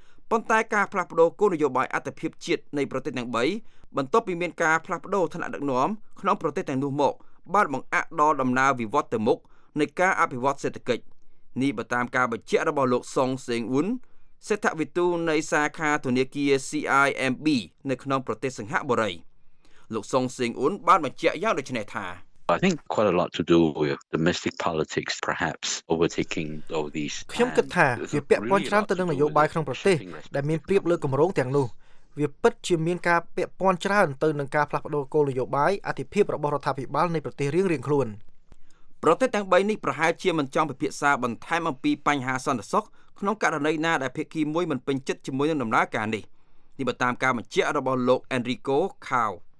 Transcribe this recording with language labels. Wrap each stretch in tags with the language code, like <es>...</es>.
<km>ប៉ុន្តែការផ្លាស់ប្ដូរគោលនយោបាយអន្តរជាតិជាតិនៃប្រទេសទាំង3បន្ទាប់ពីមានការផ្លាស់ប្ដូរឋានៈដឹកនាំក្នុងប្រទេសទាំងនោះមកបានបង្អាក់ដល់ដំណើរវិវត្តទៅមុខនៃការអភិវឌ្ឍសេដ្ឋកិច្ចនេះបើតាមការបញ្ជាក់របស់លោកសុងសេងអ៊ុនសេដ្ឋវិទូនៃសាខាធនាគារ CIMB នៅក្នុងប្រទេសសិង្ហបុរីលោកសុងសេងអ៊ុនបានបញ្ជាក់យ៉ាងដូចនេះថា</km> <en>I think quite a lot to do with domestic politics perhaps overtaking all these</en> <km>ខ្ញុំគិតថាវាពាក់ព័ន្ធច្រើនទៅនឹងនយោបាយក្នុងប្រទេសដែលមានប្រៀបលើគម្រោងទាំងនោះវាពិតជាមានការពាក់ព័ន្ធច្រើនទៅនឹងការផ្លាស់ប្ដូរគោលនយោបាយអធិភាពរបស់រដ្ឋាភិបាលនៃប្រទេសរៀងៗខ្លួន ប្រទេសទាំង3នេះប្រហែលជាមិនចង់ពិភាក្សាបន្ថែមអំពីបញ្ហាសន្តិសុខក្នុងករណីណាដែលភាគីមួយមិនពេញចិត្តជាមួយនឹងដំណើរការនេះនេះបើតាមការបញ្ជាក់របស់លោក Enrico Cao</km>